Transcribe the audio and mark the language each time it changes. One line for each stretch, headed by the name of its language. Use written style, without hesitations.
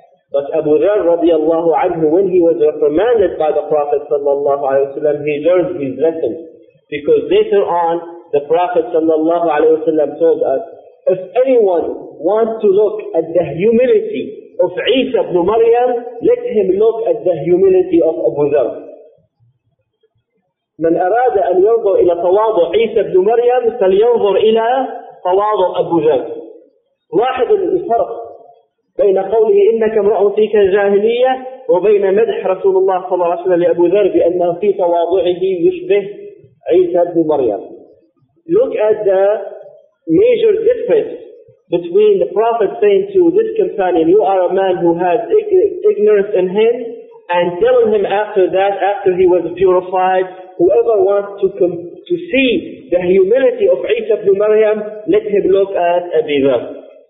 English: But Abu Dharr radiallahu anhu, when he was reprimanded by the Prophet ﷺ, he learned his lesson. Because later on, the Prophet ﷺ told us, if anyone wants to look at the humility of Isa ibn Maryam, let him look at the humility of Abu Dharr.
Arabic: من أراد أن ينظر إلى تواضع عيسى بن مريم فلينظر إلى تواضع أبو ذر. لاحظ الفرق بين قوله إنك امرؤ فيك جاهلية وبين مدح رسول الله صلى الله عليه وسلم لأبو ذر بأنه في تواضعه يشبه عيسى بن مريم.
English: Look at the major difference between the Prophet saying to this companion, "You are a man who has ignorance in him," and telling him after that, after he was purified, whoever wants to come to see the humility of Isa ibn Maryam, let him look at Abu Dharr.